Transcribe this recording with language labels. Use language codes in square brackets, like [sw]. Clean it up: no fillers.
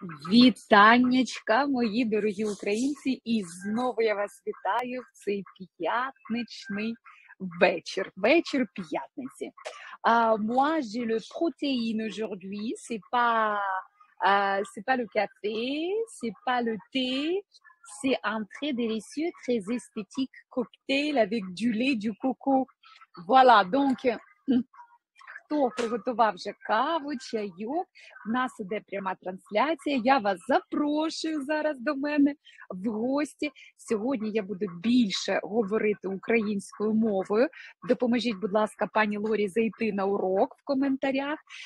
[uk] Вітаннячка, мої дорогі українці, і знову я вас вітаю в цей п'ятничний вечір. Вечір п'ятниці. [fr] Moi, j'ai le protéine aujourd'hui, c'est pas le café, c'est pas le thé, c'est un très délicieux, très esthétique cocktail avec du lait, du coco. Voilà, donc... [uk] Хто приготував вже каву, чайок, в нас іде пряма трансляція, я вас запрошую зараз до мене в гості. Сьогодні я буду більше говорити українською мовою. Допоможіть, будь ласка, пані Лорі, зайти на урок в коментарях.